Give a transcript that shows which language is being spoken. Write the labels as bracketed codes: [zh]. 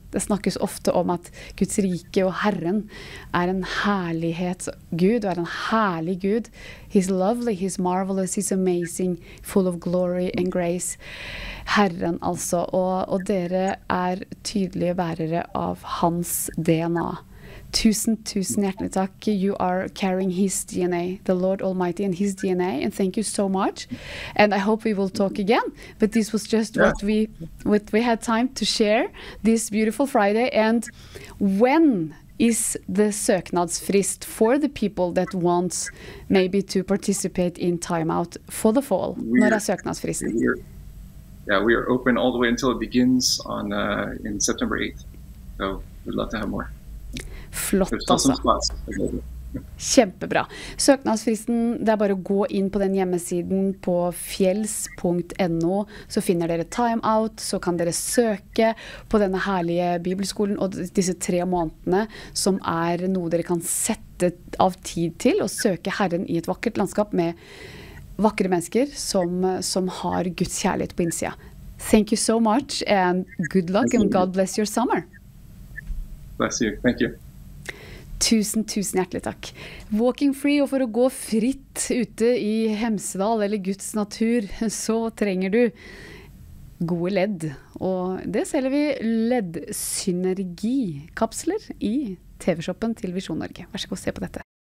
[no] Det snakkes ofte om at Guds rike og Herren er en herlighetsgud, og er en herlig Gud. [en] He's lovely, he's marvelous, he's amazing, full of glory and grace. [no] Herren altså, og dere er tydelige bærere av hans DNA. Tusen, tusen hjertelig takk. [en] You are carrying his DNA, the Lord Almighty and his DNA. And thank you so much. And I hope we will talk again. But this was just what we had time to share this beautiful Friday. And when is the søknadsfrist for the people that wants maybe to participate in Time Out for the fall? [no] Når er søknadsfristen? [en] We are open all the way until it begins in September 8th. So we'd love to have more. [no] Flott altså. Kjempebra. Søknadsfristen, det er bare å gå inn på den hjemmesiden på fjells.no, så finner dere Time Out, så kan dere søke på denne herlige bibelskolen og disse 3 månedene som er noe dere kan sette av tid til og søke Herren i et vakkert landskap med vakre mennesker som har Guds kjærlighet på innsida. [en] Thank you so much and good luck and God bless your summer. Bless you. Thank you. [no] Tusen, tusen hjertelig takk. [en] Walking free, [no] og for å gå fritt ute i Hemsedal eller Guds natur, så trenger du gode ledd. Og det selger vi LED-synergikapsler i TV-shoppen til Visjon Norge. Vær så god, se på dette.